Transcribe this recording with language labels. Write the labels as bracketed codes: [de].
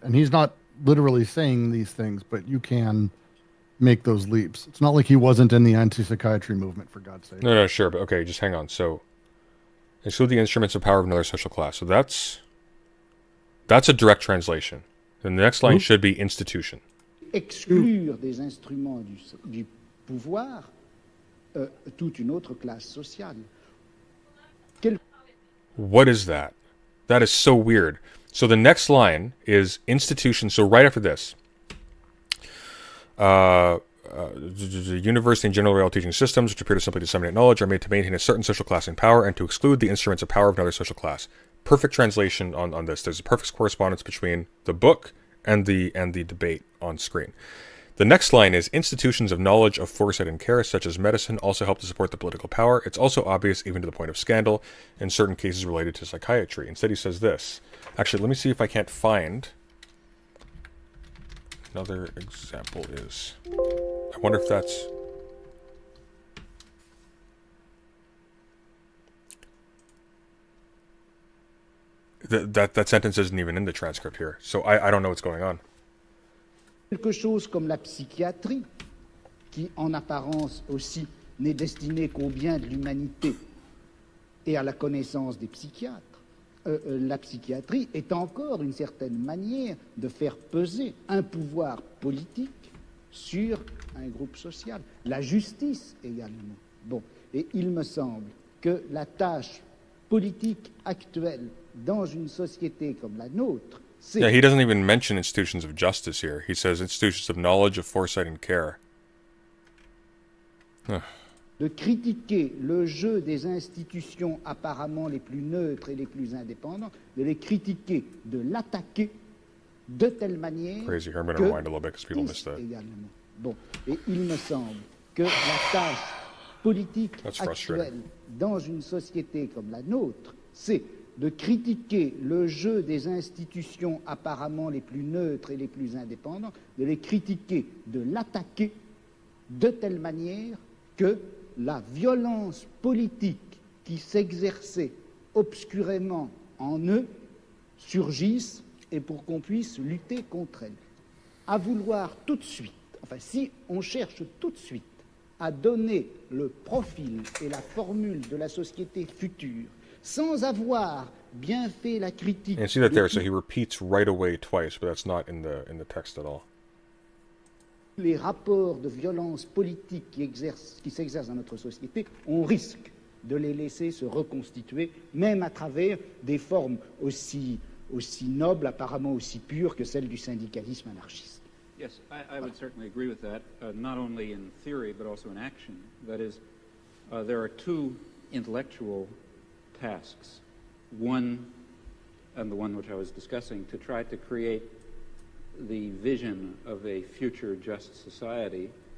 [en] And he's not literally saying these things, but you can make those leaps. It's not like he wasn't in the anti-psychiatry movement, for God's sake. No, sure, but okay, just hang on. So, exclude the instruments of power of another social class. So that's a direct translation. And the next line should be institution. [fr] Exclure des instruments du pouvoir toute une autre classe sociale. [en] What is that? That is so weird. So the next line is institution. So right after this, the university and general real teaching systems, which appear to simply disseminate knowledge, are made to maintain a certain social class in power and to exclude the instruments of power of another social class. Perfect translation on this. There's a perfect correspondence between the book and the debate on screen. The next line is institutions of knowledge, of foresight and care, such as medicine, also help to support the political power. It's also obvious, even to the point of scandal, in certain cases related to psychiatry. Instead, he says this. Actually, let me see if I can't find another example. Is I wonder if that's that sentence isn't even in the transcript here. So I don't know what's going on. [fr] Quelque chose comme la psychiatrie, qui en apparence aussi n'est destinée qu'au bien de l'humanité et à la connaissance des psychiatres, la psychiatrie est encore une certaine manière de faire peser un pouvoir politique sur un groupe social. La justice également. Bon, et il me semble que la tâche politique actuelle dans une société comme la nôtre. [en] Yeah, he doesn't even mention institutions of justice here. He says institutions of knowledge, of foresight, and care. [fr] De critiquer le jeu des institutions apparemment les plus neutres et les plus indépendantes, de les critiquer, de l'attaquer de telle manière. [en] Crazy, I'm going to rewind a little bit because people missed that. [fr] Également. Bon, et il me semble que la tâche politique actuelle dans une société comme la nôtre, c'est de critiquer le jeu des institutions apparemment les plus neutres et les plus indépendantes, de les critiquer, de l'attaquer de telle manière que la violence politique qui s'exerçait obscurément en eux surgisse et pour qu'on puisse lutter contre elle. À vouloir tout de suite, enfin si on cherche tout de suite à donner le profil et la formule de la société future, sans avoir bien fait la critique. [en] And see that there, so he repeats right away twice, but that's not in the text at all. [fr] Les rapports de violence politique qui s'exercent dans notre société, on risque de les laisser se reconstituer, même à travers des formes aussi nobles, apparemment aussi pures que celles du syndicalisme anarchiste. [en] Yes, I would certainly agree with that, not only in theory, but also in action. That is, there are two intellectual tasks, one and the one which I was discussing, to try to create the vision of a future just society.